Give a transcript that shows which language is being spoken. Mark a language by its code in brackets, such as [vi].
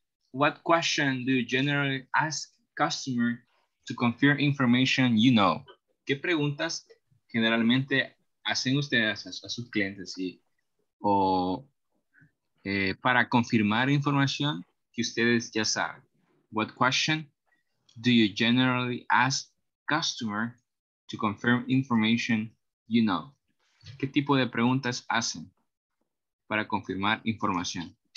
[en] What question do you generally ask customer to confirm information you know? [es] ¿Qué preguntas generalmente hacen ustedes a sus clientes y, o para confirmar información que ustedes ya saben? [en] What question do you generally ask customer to confirm information you know? [es] ¿Qué tipo de preguntas hacen para confirmar información?